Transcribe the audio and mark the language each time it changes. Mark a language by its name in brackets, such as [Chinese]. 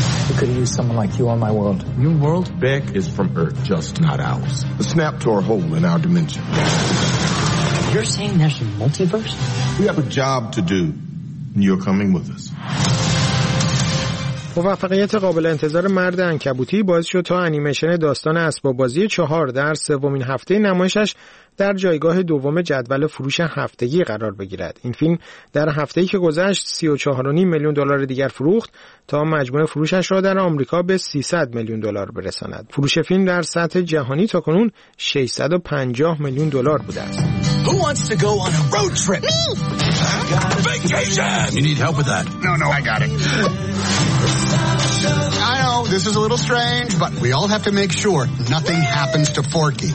[English] We could use someone like you on my world. New world? Beck is from Earth, just not ours. A snap to our hole in our dimension. You're saying there's a multiverse? We have a job to do, and you're coming with us. [Persian] موفقیت قابل انتظار مرد عنکبوتی باعث شد تا انیمیشن داستان اسباب بازی 4 در سومین هفته نمایشش در جایگاه دوم جدول فروش هفتگی قرار بگیرد. این فیلم در هفته‌ای که گذشت 34.5 میلیون دلار دیگر فروخت تا مجموع فروشش را در آمریکا به 300 میلیون دلار برساند. فروش فیلم در سطح جهانی تا کنون 650 میلیون دلار بوده است. [English] Who wants to go on a road trip? Me. Vacation. You need help with that? No, no, I got it. I know this is a little strange, but we all have to make sure nothing happens to Forky.